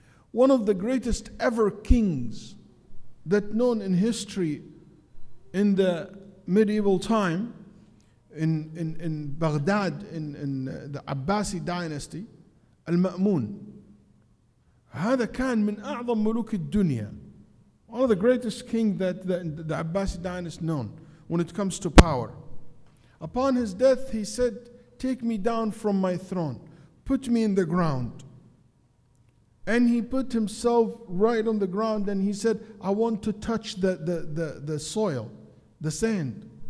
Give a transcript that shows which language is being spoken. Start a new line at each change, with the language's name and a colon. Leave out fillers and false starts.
English: One of the greatest ever kings that known in history in the medieval time in Baghdad, in the Abbasid dynasty, Al-Ma'mun.
Arabic: هذا كان من أعظم ملوك الدنيا.
English: One of the greatest kings that the Abbasid dynasty known when it comes to power. Upon his death, he said, take me down from my throne. Put me in the ground. And he put himself right on the ground and he said, I want to touch the soil, the sand.